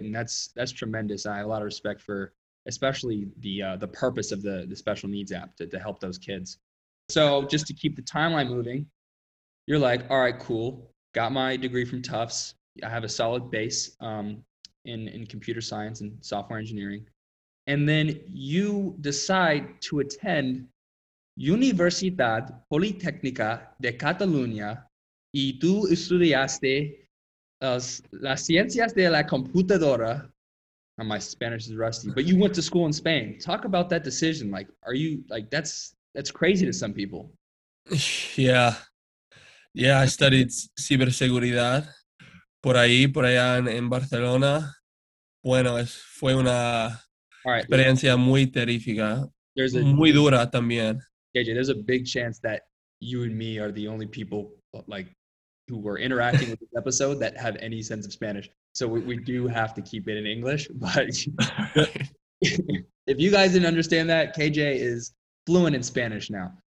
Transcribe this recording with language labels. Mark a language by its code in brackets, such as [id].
[en] And that's tremendous. I have a lot of respect for, especially the purpose of the special needs app to help those kids. So just to keep the timeline moving, you're like, all right, cool. Got my degree from Tufts. I have a solid base in computer science and software engineering. And then you decide to attend [es] Universidad Politécnica de Cataluña y tú estudiaste las ciencias de la computadora. [en] My Spanish is rusty, but you went to school in Spain. Talk about that decision. Like, are you like, that's crazy to some people. Yeah. Yeah. I studied [es] ciberseguridad por allá en Barcelona. Bueno, fue una experiencia muy terrífica. Muy dura también. [en] KJ, there's a big chance that you and me are the only people like who were interacting with this episode that have any sense of Spanish. So we do have to keep it in English. But if you guys didn't understand that, KJ is fluent in Spanish now.